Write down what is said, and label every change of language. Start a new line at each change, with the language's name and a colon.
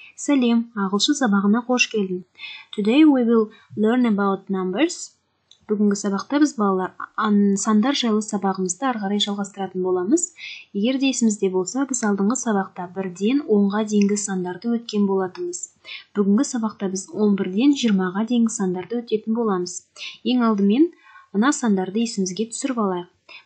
Kazakh: Салем, ағылшын сабағына қош келдің.
English: Today we will learn about numbers.
Kazakh: Бүгінгі сабақта біз балалар сандар жайлы сабағымызды арғарай жалғастыратын боламыз. Егер есіңізде болса, біз алдыңғы сабақта 1-ден 10-ға дейінгі сандарды өткен болатынбыз. Бүгінгі сабақта біз 11-ден 20-ға дейінгі сандарды өтетін боламыз. Ең алдымен мына сандарды есімізге түсіріп алайық.